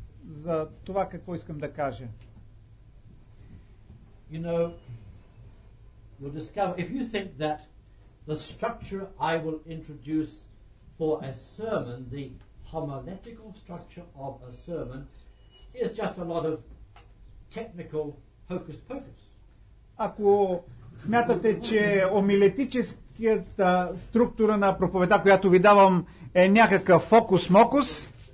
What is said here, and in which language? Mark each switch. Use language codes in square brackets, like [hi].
[bg] За това какво искам да кажа. [en] You know, you'll discover if you think that the structure I will introduce for a sermon, the homiletical structure of a sermon, is just a lot of technical hocus pocus. [bg] Ако смятате, че омилетически структура на проповеда, която ви давам, е някакъв фокус-мокус.